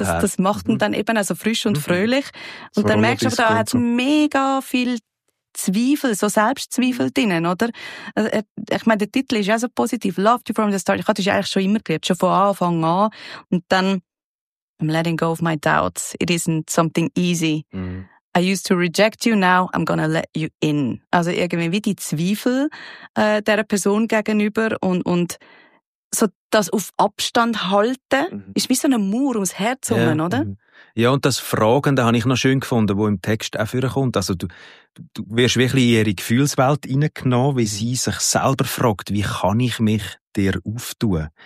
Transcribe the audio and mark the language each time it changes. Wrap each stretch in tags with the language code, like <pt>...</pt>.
<de>das macht ihn dann eben auch so frisch und fröhlich. Und so dann merkst du aber, da hat so mega viel Zweifel, so Selbstzweifel drinnen, oder? Ich meine, der Titel ist ja so positiv. Loved You From The Start. Ich hatte es eigentlich schon immer geliebt, schon von Anfang an. Und dann,</de> <en>I'm letting go of my doubts. It isn't something easy. Mm. I used to reject you, now I'm gonna let you in.</en> <de>Also irgendwie wie die Zweifel dieser Person gegenüber und so das auf Abstand halten, ist wie so eine Mauer ums Herz rum, oder? Ja, und das Fragen, da habe ich noch schön gefunden, wo im Text auch vorkommt. Also du wirst wirklich in ihre Gefühlswelt reingenommen, wie sie sich selber fragt, wie kann ich mich dir auftun?</de>